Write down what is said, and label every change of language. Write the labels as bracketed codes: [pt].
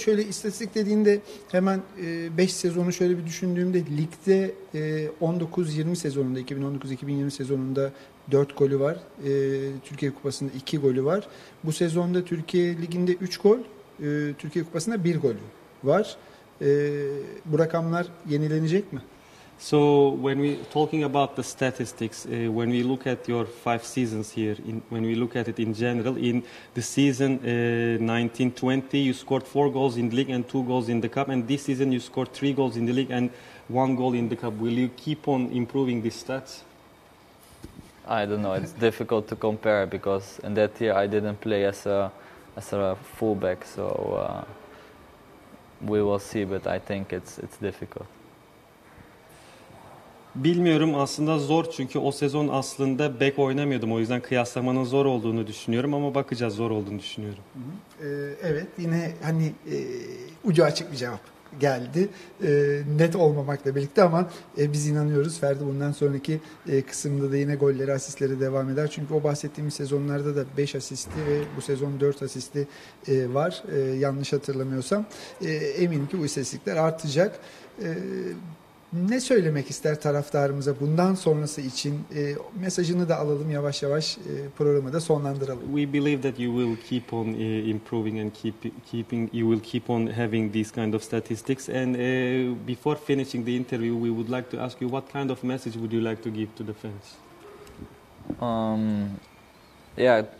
[tr] Şöyle istatistik dediğinde hemen 5 sezonu şöyle bir düşündüğümde ligde 19-20 sezonunda, 2019-2020 sezonunda 4 golü var. Türkiye Kupası'nda 2 golü var. Bu sezonda Türkiye Ligi'nde 3 gol, Türkiye Kupası'nda 1 golü var. Bu rakamlar yenilenecek mi? [en] So when we talking about the statistics, when we look at your 5 seasons here, when we look at it in general, in the season 19-20, you scored 4 goals in the league and 2 goals in the cup, and this season you scored 3 goals in the league and 1 goal in the cup. Will you keep on improving these stats? I don't know. It's difficult to compare because in that year I didn't play as a fullback, so we will see. But I think it's difficult. [tr] Bilmiyorum, aslında zor çünkü o sezon aslında bek oynamıyordum. O yüzden kıyaslamanın zor olduğunu düşünüyorum ama bakacağız, zor olduğunu düşünüyorum. Evet, yine hani ucu açık bir cevap geldi. Net olmamakla birlikte ama biz inanıyoruz. Ferdi bundan sonraki kısımda da yine golleri, asistleri devam eder. Çünkü o bahsettiğimiz sezonlarda da 5 asisti ve bu sezon 4 asisti var. Yanlış hatırlamıyorsam. Eminim ki bu istatistikler artacak. Ne söylemek ister taraftarımıza bundan sonrası için? Mesajını da alalım, yavaş yavaş programı da sonlandıralım. [en] We believe that you will keep on improving and keeping you will keep on having these kind of statistics. And before finishing the interview, we would like to ask you what kind of message would you like to give to the fans?